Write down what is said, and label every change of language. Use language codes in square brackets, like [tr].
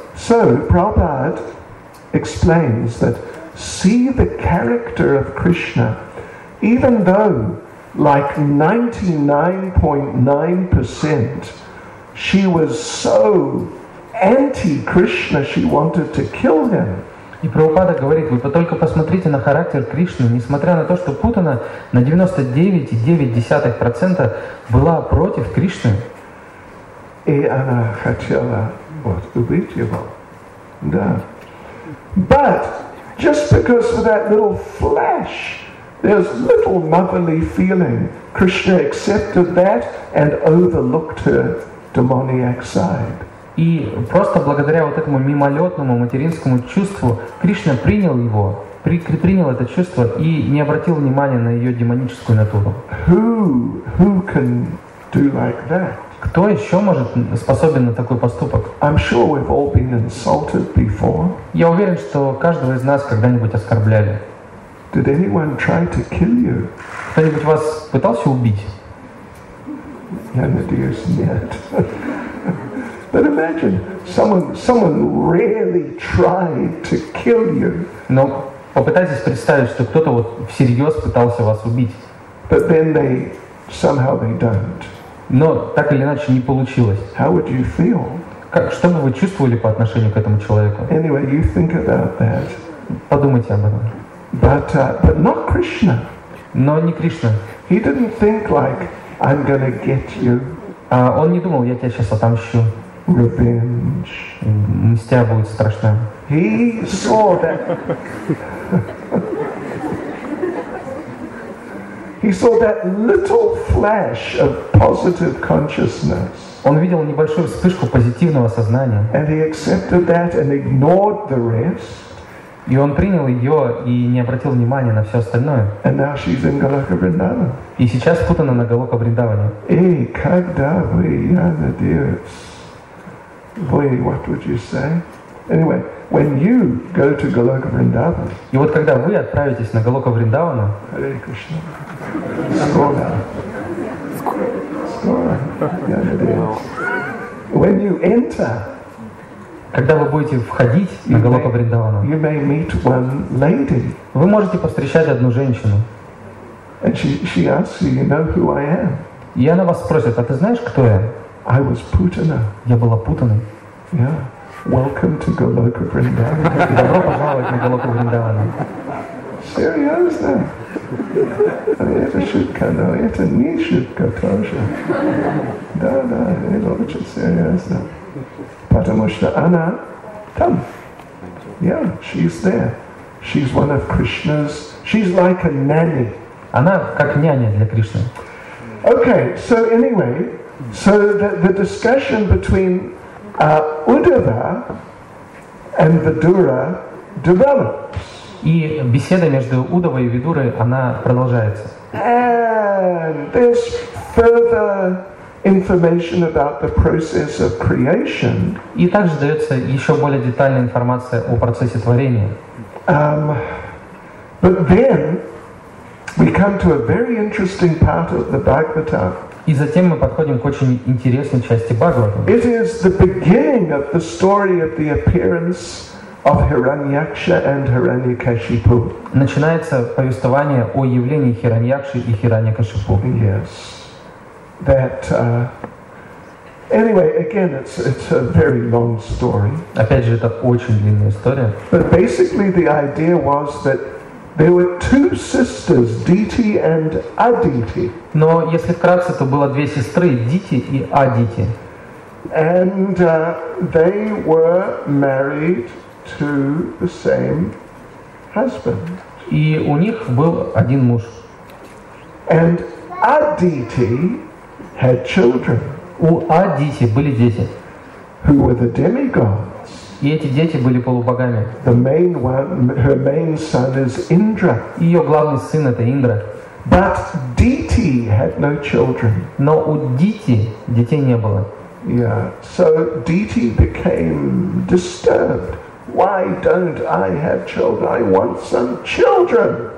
[en] So, Prabhupada explains that see the character of Krishna, even though like 99.9% she was so anti-Krishna, she wanted to kill him. [ru] И Прабхупада говорит, вы только посмотрите на характер Кришны, несмотря на то, что Путана на 99.9% была против Кришны. И она хотела вот, убить его. Да. [en] But just because of that little flash, there's little motherly feeling, Krishna accepted that and overlooked her demoniac side. [ru] И просто благодаря вот этому мимолетному материнскому чувству Кришна принял его, принял это чувство и не обратил внимания на ее демоническую натуру. [en] Who can do like that? [ru] Кто еще может способен на такой поступок? [en] I'm sure we've all been insulted before. [ru] Я уверен, что каждого из нас когда-нибудь оскорбляли. [en] Did anyone try to kill you? [ru] Кто-нибудь вас пытался убить? Я надеюсь, нет. [en] But imagine someone really tried to kill you. [ru] Но попытайтесь представить, что кто-то вот всерьез пытался вас убить. [en] But then they somehow they don't. [ru] Но так или иначе не получилось. [en] How would you feel? [ru] Как, что бы вы чувствовали по отношению к этому человеку? [en] Anyway, you think about that. [ru] Подумайте об этом. [en] But not Krishna. [ru] Но не Кришна. [en] He didn't think like I'm gonna get you. [ru] Он не думал, я тебя сейчас отомщу. [en] revenge. [ru] Мстя будет страшна. [en] He saw that. He saw that little flash of positive consciousness. [ru] Он видел небольшую вспышку позитивного сознания. [en] And he accepted that and ignored the rest. [ru] И он принял ее и не обратил внимания на все остальное. [en] And now she's in Галока Вриндаван. [ru] И сейчас путана на Галока Вриндаване. Эй, когда вы, я надеюсь, вы, [en] what would you say? Anyway, when you go to Galoka Vrindavan. [ru] И вот когда вы отправитесь на Галока Вриндавана. Hare Krishna. Скоро. Скоро. Я надеюсь. [en] When you enter. [ru] Когда вы будете входить на Галока Вриндавана, вы можете повстречать одну женщину. [en] And she asks you, you know who I am? [ru] И она вас спросит, а ты знаешь, кто я? [en] I was Putana. [ru] Я была Путаной. [en] Yeah. Welcome to Galoka Vrindavan. [ru] Добро пожаловать на Галоку Вриндавана. Серьезно? Это шутка, но это не шутка тоже. Да-да, это очень серьезно. Потому что она там. [en] Yeah, she's there. She's one of Krishna's. She's like a nanny. [ru] Она как няня для Кришны. [en] Okay, so anyway, so the discussion between Uddhava and Vidura develops. [ru] И беседа между Уддхавой и Видурой, она продолжается. [en] And this further information about the process of creation. [ru] И также дается еще более детальная информация о процессе творения. [en] But then we come to a very interesting part of the Bhagavatam. [ru] И затем мы подходим к очень интересной части Бхагаватам. [en] It is the beginning of the story of the appearance of Hiranyaksha and Hiranyakashipu. [ru] Начинается повествование о явлении Хираньякши и Хираньякашипу. [en] Yes. That anyway, again, it's a very long story. [ru] Опять же, это очень длинная история. [en] But basically, the idea was that there were two sisters, Diti and Aditi. [ru] Но если вкратце, то было две сестры, Дити и Адити. [en] And they were married to the same husband. [ru] И у них был один муж. [en] And Aditi had children. [ru] У Адити были дети. [en] Who were the demigods? [ru] И эти дети были полубогами. [en] The main one, her main son is Indra. [ru] Ее главный сын это Индра. [en] But Diti had no children. [ru] Но у Дити детей не было. [en] Yeah. So Diti became disturbed. Why don't I have children? I want some children.